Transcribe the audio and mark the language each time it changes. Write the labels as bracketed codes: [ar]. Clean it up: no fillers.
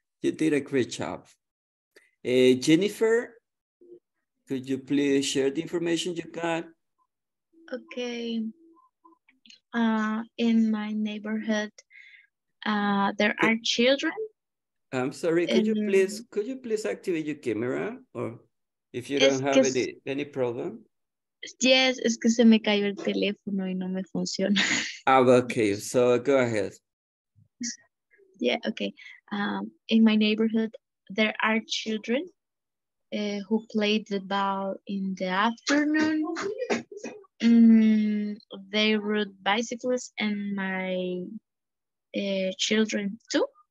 [en] You did a great job. Jennifer, could you please share the information you got? Okay. In my neighborhood, there are children. I'm sorry, could you please activate your camera, or if you don't have any problem? [es] Yes, es que se me cayó el teléfono y no me funciona. [en] Oh, okay, so go ahead. Yeah, okay. In my neighborhood, there are children who play the ball in the afternoon. They rode bicycles, and my children too.